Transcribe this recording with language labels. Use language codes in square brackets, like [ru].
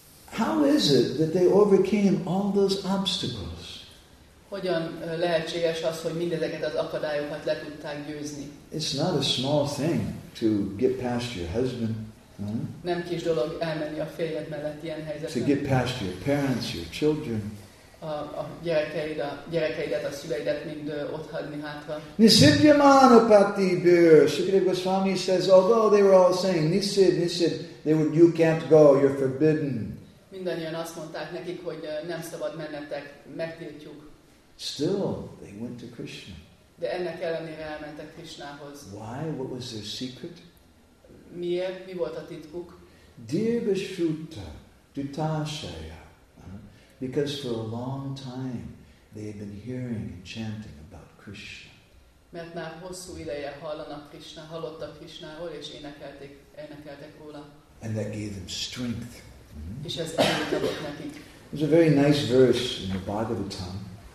[en] How is it that they overcame all those obstacles? [hu] Hogyan lehetséges az, hogy mindezeket az akadályokat le tudták győzni? [en] It's not a small thing to get past your husband. [hu] Nem kis dolog elmenni a férjed mellett ilyen helyzetben. [en] To get past your parents, your children. [hu] A gyerekeidet, a szüleidet mind ott hagyni hátra. [sa] Nisidyamana pati bir. [en] Sukadeva Goswami says, although they were all saying, [sa] nisid, nisid, [en] they would, you can't go, you're forbidden. [hu] Mindannyian azt mondták nekik, hogy nem szabad mennetek, megtiltjuk. [en] Still, they went to Krishna. [hu] De ennek ellenére elmentek Krishnához. [en] Why? What was their secret? [hu] Miért? Mi volt a titkuk? [sa] Dirgashruta dutashaya. [en] Because for a long time they had been hearing and chanting about Krishna. [hu] Mert már hosszú ideje hallanak Krishna, hallottak Krishnáról, és énekeltek róla. [en] And that gave them strength. [hu] És ez erőt adott nekik. [en] There's a very nice verse in the Bhagavatam.